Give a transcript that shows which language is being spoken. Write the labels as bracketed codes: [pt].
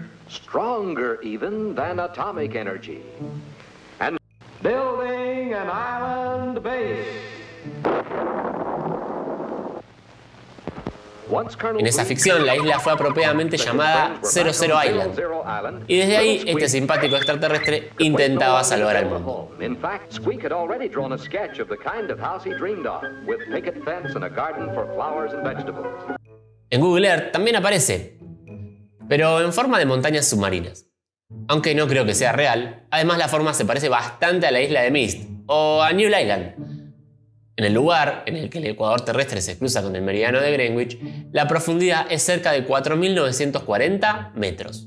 [en] Stronger even than atomic energy. And building an island base. [es] En esa ficción, la isla fue apropiadamente llamada 00 Island. Y desde ahí, este simpático extraterrestre intentaba salvar al mundo. [en] En fact, Squeak had already drawn a sketch of the kind of house he dreamed of, with picket fence and a garden for flowers and vegetables. [es] En Google Earth también aparece, pero en forma de montañas submarinas. Aunque no creo que sea real, además la forma se parece bastante a la isla de Mist, o a Newell Island. En el lugar en el que el ecuador terrestre se cruza con el meridiano de Greenwich, la profundidad es cerca de 4.940 metros.